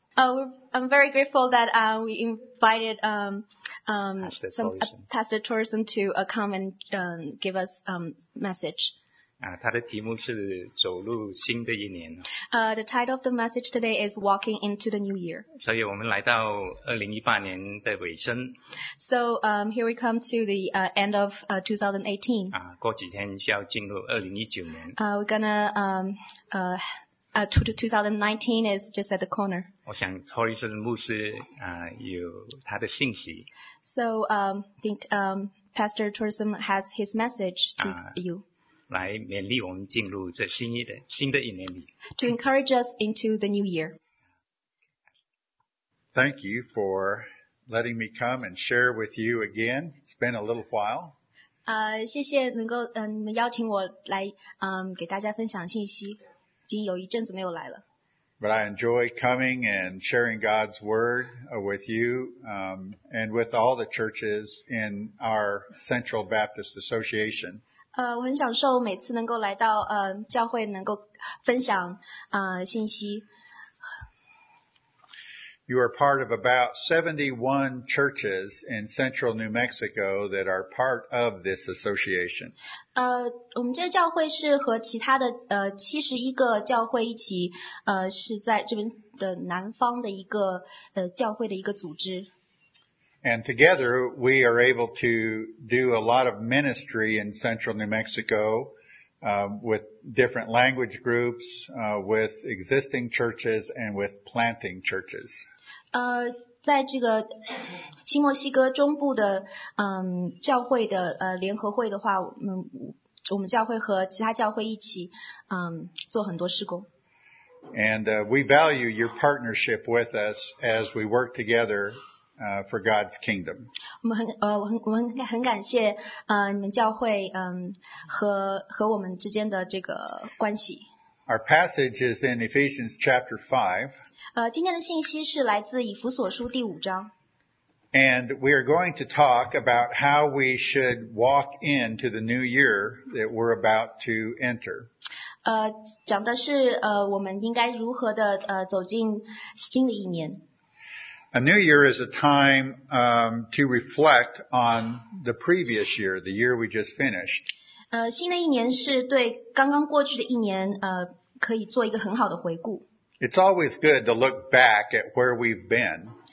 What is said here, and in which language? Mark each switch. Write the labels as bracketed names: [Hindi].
[English] I'm very grateful that we invited Pastor Torrison to come and give us message. [Chinese] 他的题目是走入新的一年。 [English] The title of the message today is Walking into the New Year. [Chinese] 所以我们来到2018年的尾声。 [English] So here we come to the end of 2018. [Chinese] 过几天就要进入2019年。 [English] We're gonna2019 is just at the corner. [Chinese] 我想 Torrison 牧师有他的信息。 [English] So I think Pastor Torrison has his message to you. [Chinese] 来勉励我们进入这新的一年里。 [English] To encourage us into the new year. Thank you for letting me come and share with you again. It's been a little while. [Chinese] 谢谢能够你们邀请我来给大家分享信息，已经有一阵子没有来了。 [English] But I enjoy coming and sharing God's word with you and with all the churches in our Central Baptist Association. [Chinese] 我很享受每次能够来到教会能够分享信息。 [English] You are part of about 71 churches in central New Mexico that are part of this association. [Chinese] 我们这个教会是和其他的71个教会一起是在这边的南方的一个教会的一个组织。 [English] And together, we are able to do a lot of ministry in central New Mexico, with different language groups, with existing churches, and with planting churches. [Chinese] 在这个新墨西哥中部的教会的联合会的话，我们教会和其他教会一起做很多事工。 [English] And we value your partnership with us as we work together. For God's kingdom. [Chinese] 我们很感谢你们教会和我们之间的这个关系。 [English] Our passage is in Ephesians chapter 5. [Chinese] 今天的信息是来自以弗所书第五章。 [English] And we are going to talk about how we should walk into the new year that we're about to enter. [Chinese] 讲的是我们应该如何的走进新的一年。 [English] A new year is a time to reflect on the previous year, the year we just finished. [Chinese] 新的一年是对刚刚过去的一年可以做一个很好的回顾。 [English] It's always good to look back at where we've been.